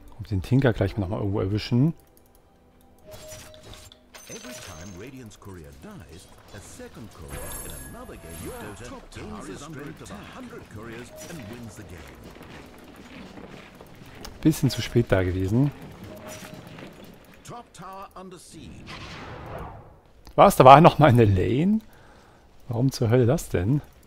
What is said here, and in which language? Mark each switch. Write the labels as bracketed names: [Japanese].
[German] Den Tinker gleich noch mal irgendwo erwischen. [English] Every time Radiant's courier dies, a second courier in another game of Dota gains the strength of 100 couriers and wins the game. [German] Bisschen zu spät da gewesen. [English] Top tower under siege. [German] Was? Da war noch mal eine Lane? Warum zur Hölle das denn?